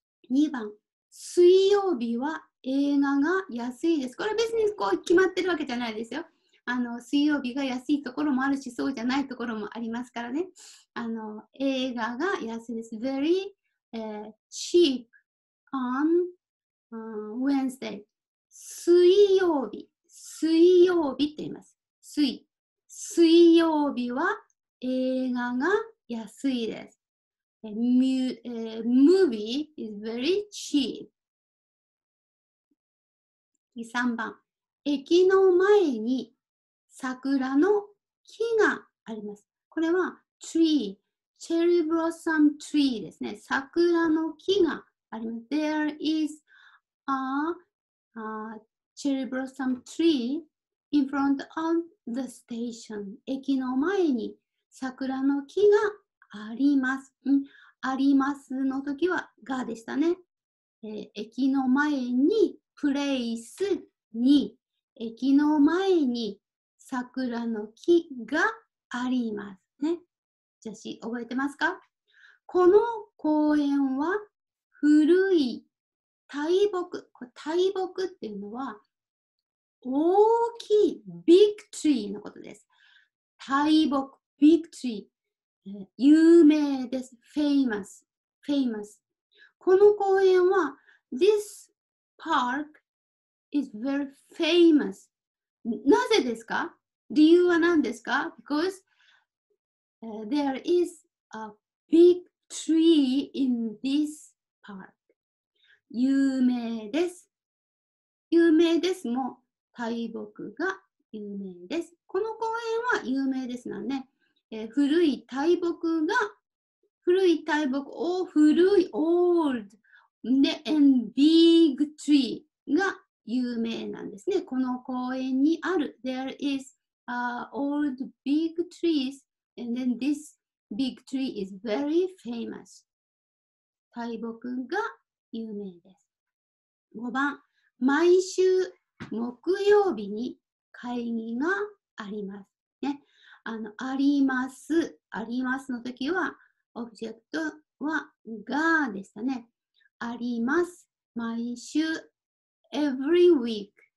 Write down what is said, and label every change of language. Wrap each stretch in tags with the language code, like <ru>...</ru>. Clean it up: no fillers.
<ja>2番、水曜日は映画が安いです。これ別にこう決まってるわけじゃないですよ。水曜日が安いところもあるし、そうじゃないところもありますからね。映画が安いです。</ja> <en>Very cheap on Wednesday.</en> <ja>水曜日って言います。水曜日は映画が安いです。</ja> <en>movie is very cheap.</en> <ja>3番、駅の前に桜の木があります。これは tree、</ja> <en>cherry blossom tree</en> <ja>ですね。桜の木があります。</ja> <en>There is a, a cherry blossom tree in front of the station.</en> <ja>駅の前に桜の木があります。うん、ありますの時はがでしたね。駅の前にプレイスに、駅の前に桜の木があります。ね。女子、覚えてますか？この公園は古い大木。大木っていうのは大きい、ビッグトリーのことです。大木、ビッグトリー。有名です。</ja> <en>famous、famous。</en> <ja>この公園は、</ja> <en>this park is very famous。</en> <ja>なぜですか？理由は何ですか？</ja> <en>because、there is a big tree in this park。</en> <ja>有名です。有名ですも大木が有名です。この公園は有名ですなんで、ね、古い大木が、古い大木を、古い old で and</ja> <en>big tree</en> <ja>が有名なんですね。この公園にある</ja> <en>there isold big trees and then this big tree is very famous.</en> <ja>大木が有名です。 5番、毎週木曜日に会議があります。ね、あります、ありますの時は、オブジェクトはがでしたね。あります、毎週、</ja> <en>every week.</en>